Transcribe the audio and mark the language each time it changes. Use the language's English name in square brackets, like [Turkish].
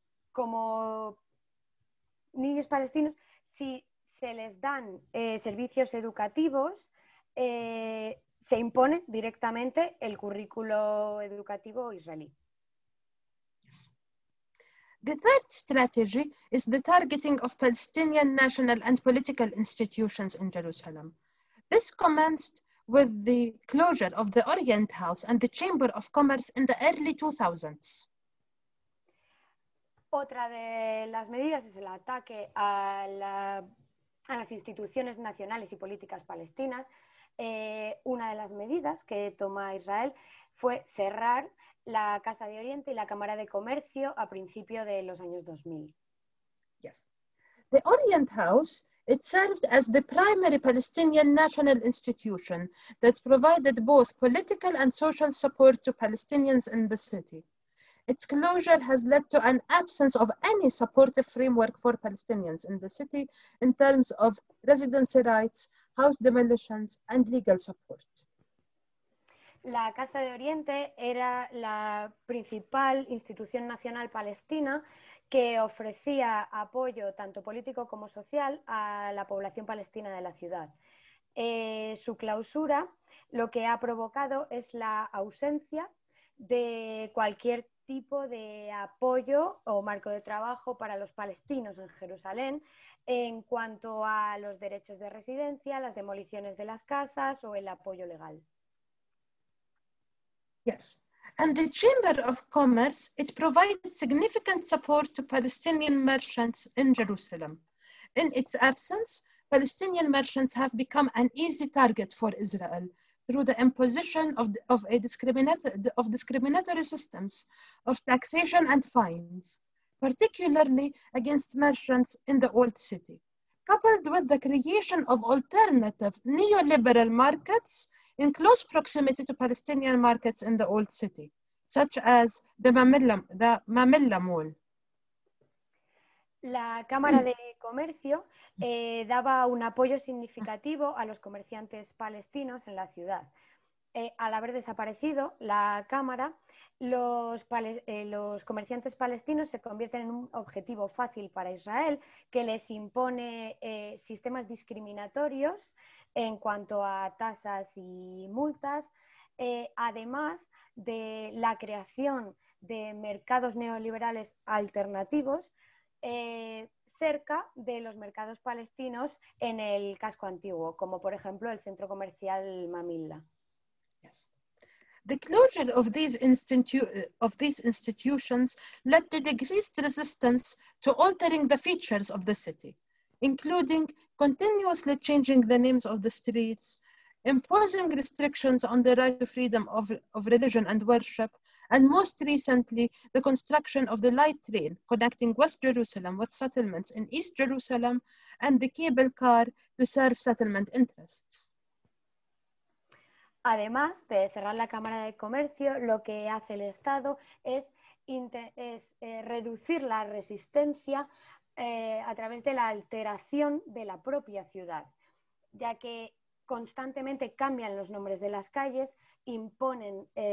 [Spanish] Como niños palestinos, si se les dan servicios educativos, se impone directamente el currículo educativo israelí. [English] The third strategy is the targeting of Palestinian national and political institutions in Jerusalem. This commenced with the closure of the Orient House and the Chamber of Commerce in the early 2000s. [Spanish] Otra de las medidas es el ataque a, las instituciones nacionales y políticas palestinas. Una de las medidas que toma Israel fue cerrar la Casa de Oriente y la Cámara de Comercio a principio de los años 2000. [English] Yes. The Orient House, it served as the primary Palestinian national institution that provided both political and social support to Palestinians in the city. Its closure has led to an absence of any supportive framework for Palestinians in the city in terms of residency rights, house demolitions and legal support. [Spanish] La Casa de Oriente era la principal institución nacional palestina que ofrecía apoyo tanto político como social a la población palestina de la ciudad. Su clausura lo que ha provocado es la ausencia de cualquier tipo de apoyo o marco de trabajo para los palestinos en Jerusalén en cuanto a los derechos de residencia, las demoliciones de las casas o el apoyo legal. [English] Yes, and the Chamber of Commerce, it provided significant support to Palestinian merchants in Jerusalem. In its absence, Palestinian merchants have become an easy target for Israel through the imposition of discriminatory systems of taxation and fines, particularly against merchants in the Old City, coupled with the creation of alternative neoliberal markets in close proximity to Palestinian markets in the Old City, such as the Mamilla Mall. [Spanish] La Cámara de Comercio daba un apoyo significativo a los comerciantes palestinos en la ciudad. Al haber desaparecido la Cámara, los comerciantes palestinos se convierten en un objetivo fácil para Israel, que les impone sistemas discriminatorios en cuanto a tasas y multas. Además, de la creación de mercados neoliberales alternativos cerca de los mercados palestinos en el casco antiguo, como por ejemplo el centro comercial Mamilla. [English] Yes. The closure of these institutions led to decreased resistance to altering the features of the city, including continuously changing the names of the streets, imposing restrictions on the right to freedom of religion and worship, and most recently, the construction of the light train connecting West Jerusalem with settlements in East Jerusalem and the cable car to serve settlement interests. [Spanish] Además de cerrar la Cámara de Comercio, lo que hace el Estado es, reducir la resistencia a través de la alteración de la propia ciudad, ya que constantemente cambian los nombres de las calles, imponen